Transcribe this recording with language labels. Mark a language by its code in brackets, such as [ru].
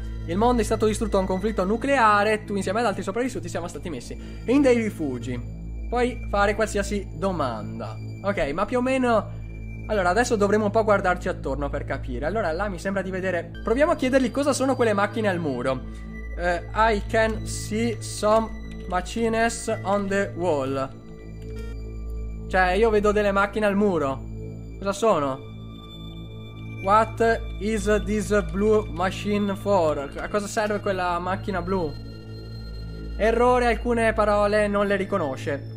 [it] Il mondo è stato distrutto da un conflitto nucleare. Tu insieme ad altri sopravvissuti siamo stati messi in dei rifugi. Puoi fare qualsiasi domanda. Ok, ma più o meno... Allora, adesso dovremo un po' guardarci attorno per capire. Allora, là mi sembra di vedere... Proviamo a chiedergli cosa sono quelle macchine al muro. [en] I can see some machines on the wall. [it] Cioè, io vedo delle macchine al muro. Cosa sono? [en] What is this blue machine for? [it] A cosa serve quella macchina blu? Errore, alcune parole non le riconosce.